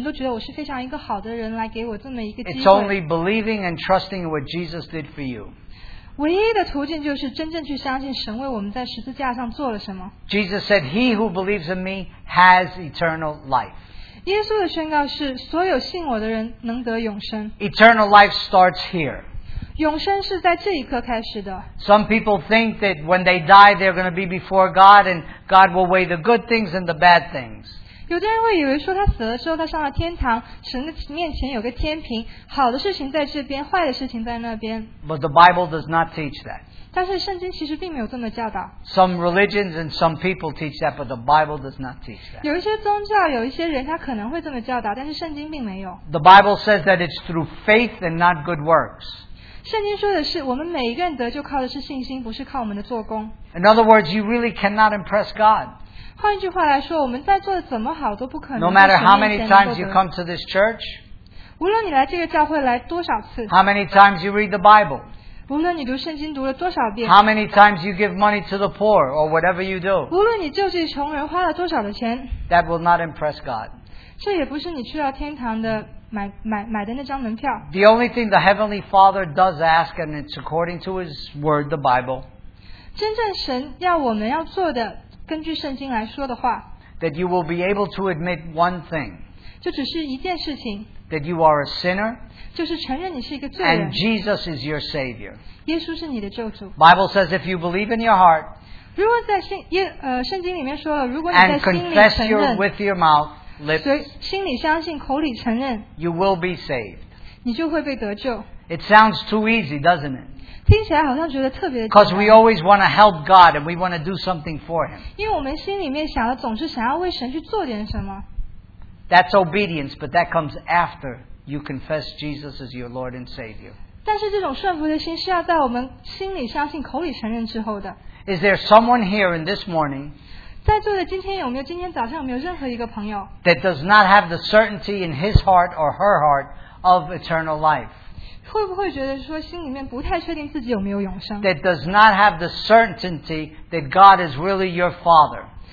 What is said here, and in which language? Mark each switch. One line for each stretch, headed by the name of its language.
Chinese: 你不可能说我做了这么多的好事让神都觉得我是非常一个好的人来给我这么一个机会。
English: It's only believing and trusting what Jesus did for you.
Chinese: 唯一的途径就是真正去相信神为我们在十字架上做了什么。
English: Jesus said, he who believes in me has eternal life.
Chinese: 耶稣的宣告是所有信我的人能得永生。
English: Eternal life starts here. Some people think that when they die, they're going to be before God and God will weigh the good things and the bad things.
Chinese: 有的人会以为说他死了之后他上了天堂神的面前有个天平, 好的事情在这边, 坏的事情在那边。
English: But the Bible does not teach that.
Chinese: 但是圣经其实并没有这么教导。
English: Some religions and some people teach that, but the Bible does not teach that.
Chinese: 有一些宗教, 有一些人, 他可能会这么教导, 但是圣经并没有。
English: The Bible says that it's through faith and not good works.
Chinese: 圣经说的是,
English: in other words, you really cannot impress God.
Chinese: 换句话来说,
English: no matter how many times you come to this church,
Chinese: 无论你来这个教会来多少次,
English: how many times you read the Bible,
Chinese: 无论你读圣经读了多少遍,
English: how many times you give money to the poor or whatever you do,
Chinese: 无论你救济穷人花了多少的钱,
English: that will not impress God.
Chinese: 这也不是你去到天堂的买的那张门票。
English: The only thing the Heavenly Father does ask, and it's according to his word, the Bible,
Chinese: 真正神要我们要做的, 根据圣经来说的话,
English: that you will be able to admit one thing,
Chinese: 就只是一件事情,
English: that you are a sinner,
Chinese: 就是承认你是一个罪人,
English: and Jesus is your Savior.
Chinese: 耶稣是你的救主。
English: Bible says if you believe in your heart,
Chinese: 如果在圣经里面说了, 如果你在心里承认,
English: and confess your, with your mouth, lips,
Chinese: 所以心里相信, 口里承认,
English: you will be saved.
Chinese: 你就会被得救。
English: It sounds too easy, doesn't it?
Chinese: 听起来好像觉得特别的简单。
English: Because we always want to help God and we want to do something for him.
Chinese: 因为我们心里面想了, 总是想要为神去做点什么。
English: That's obedience, but that comes after you confess Jesus as your Lord and Savior.
Chinese: 但是这种顺服的心是要在我们心里相信, 口里承认之后的。
English: Is there someone here in this morning,
Chinese: 在座的今天有没有, 今天早上有没有任何一个朋友,
English: that does not have the certainty in his heart or her heart of eternal life?
Chinese: 会不会觉得说心里面不太确定自己有没有永生?
English: That does not have the certainty that God is really your Father?